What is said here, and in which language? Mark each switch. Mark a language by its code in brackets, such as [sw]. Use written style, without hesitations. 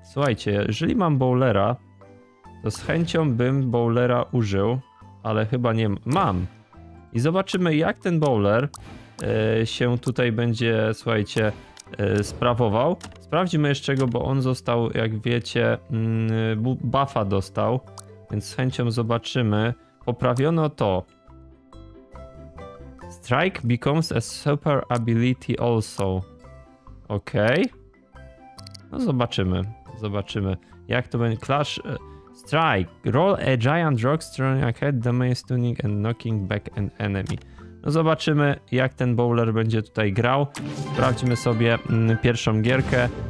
[pl] Słuchajcie, jeżeli mam bowlera, to z chęcią bym bowlera użył, ale chyba nie mam. I zobaczymy, jak ten bowler się tutaj będzie, słuchajcie, sprawował. Sprawdzimy jeszcze go, bo on został, jak wiecie, buffa dostał, więc z chęcią zobaczymy. Poprawiono to. [en] Strike becomes a super ability also. [pl] Ok. No zobaczymy. Zobaczymy, jak to będzie. [en] Clash Strike. Roll a giant rock, strong ahead, damage stunning and knocking back an enemy. [pl] No zobaczymy, jak ten bowler będzie tutaj grał. Sprawdźmy sobie pierwszą gierkę.